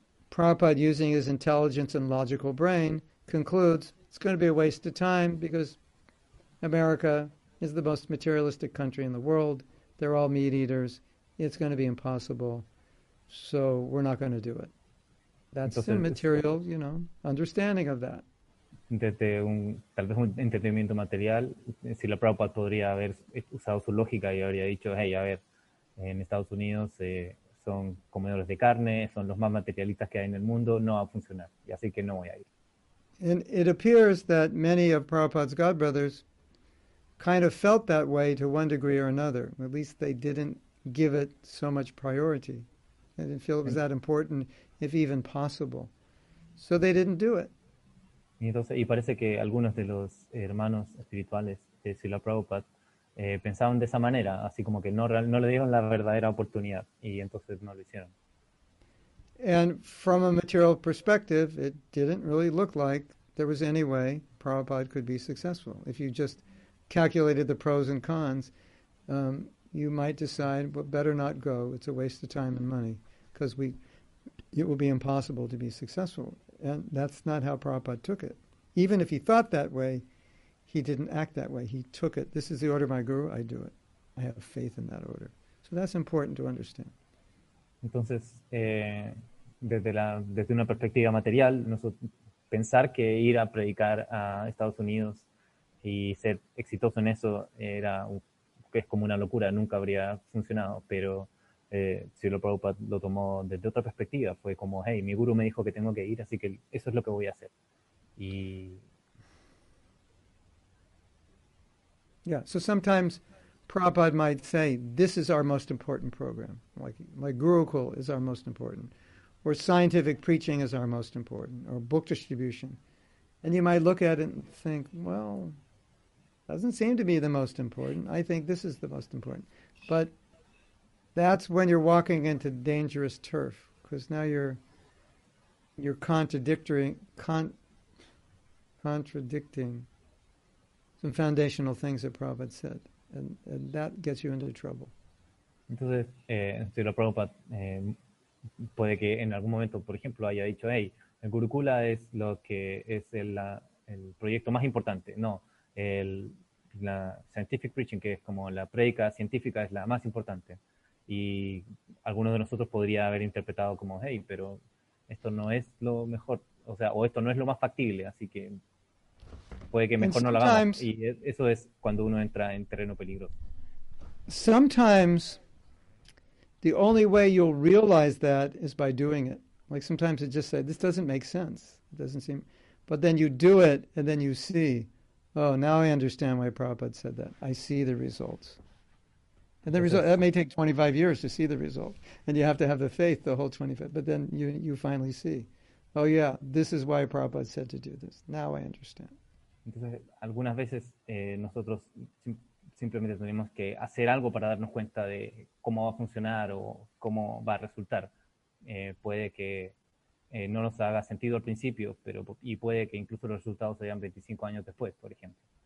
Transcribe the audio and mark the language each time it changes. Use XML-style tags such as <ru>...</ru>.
<en>Prabhupada, using his intelligence and logical brain, concludes, it's going to be a waste of time because America is the most materialistic country in the world. They're all meat eaters. It's going to be impossible. So we're not going to do it. That's the material, you know, understanding of that.</en> <es>Desde tal vez un entendimiento material, si la Prabhupada podría haber usado su lógica y habría dicho, hey, a ver, en Estados Unidos son comedores de carne, son los más materialistas que hay en el mundo, no va a funcionar, y así que no voy a ir.</es> <en>And it appears that many of Prabhupada's godbrothers kind of felt that way to one degree or another. At least they didn't give it so much priority. They didn't feel it was that important, if even possible. So they didn't do it.</en> <es>Y, entonces, y parece que algunos de los hermanos espirituales de Srila Prabhupada pensaban de esa manera, así como que no le dieron la verdadera oportunidad, y entonces no lo hicieron.</es> <en>And from a material perspective, it didn't really look like there was any way Prabhupada could be successful. If you just calculated the pros and cons, you might decide, well, better not go, it's a waste of time and money, because it will be impossible to be successful. And that's not how Prabhupada took it. Even if he thought that way, he didn't act that way. He took it. This is the order of my guru. I do it. I have faith in that order. So that's important to understand.</en> <es>Entonces, desde una perspectiva material, pensar que ir a predicar a Estados Unidos y ser exitoso en eso es como una locura. Nunca habría funcionado, pero si lo Prabhupada lo tomó desde otra perspectiva, fue como, hey, mi guru me dijo que tengo que ir, así que eso es lo que voy a hacer. Y</es> <en>yeah, so sometimes Prabhupada might say, this is our most important program. Like Gurukul is our most important. or scientific preaching is our most important, or book distribution. And you might look at it and think, well, doesn't seem to be the most important. I think this is the most important. But that's when you're walking into dangerous turf, because now you're contradicting some foundational things that Prabhupada said, and that gets you into trouble.</en> <es>Entonces, Srila Prabhupada puede que en algún momento, por ejemplo, haya dicho, hey, el Gurukula es lo que es el proyecto más importante. No, la scientific preaching, que es como la prédica científica, es la más importante. Y alguno de nosotros podría haber interpretado como, hey, pero esto no es lo mejor, o sea, o esto no es lo más factible, así que puede que mejor no lo hagamos. Y eso es cuando uno entra en terreno peligroso.</es> <en>Sometimes the only way you'll realize that is by doing it. Like sometimes it just says, this doesn't make sense. It doesn't seem. But then you do it, and then you see, oh, now I understand why Prabhupada said that. I see the results. And the result, that may take 25 years to see the result. And you have to have the faith the whole 25. But then you finally see, oh, yeah, this is why Prabhupada said to do this. Now I understand.</en> <es>Entonces, algunas veces nosotros simplemente tenemos que hacer algo para darnos cuenta de cómo va a funcionar o cómo va a resultar. Puede que no nos haga sentido al principio, pero y puede que incluso los resultados sean 25 años después, por ejemplo.</es>